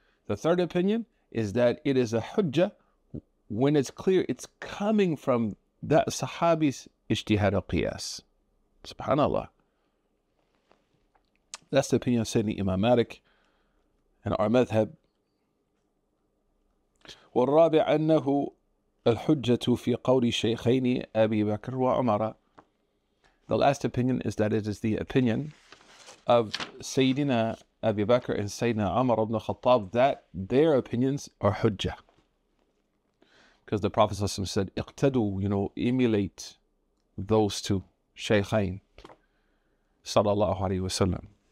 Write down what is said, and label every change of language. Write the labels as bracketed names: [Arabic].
[English] The third opinion is that it is a hujjah when it's clear it's coming from that sahabi's ijtihad al-qiyas. Subhanallah. That's the opinion of Sayyidina Imam Malik and our madhab. [Arabic] والرابع أنه الحجة في قول شيخين أبي بكر وعمر. [English] The last opinion is that it is the opinion of Sayyidina Abi Bakr and Sayyidina Umar ibn Khattab that their opinions are hujjah. Because the Prophet ﷺ said, اقتدوا, you know, emulate those two, Shaykhain, sallallahu alayhi wa sallam.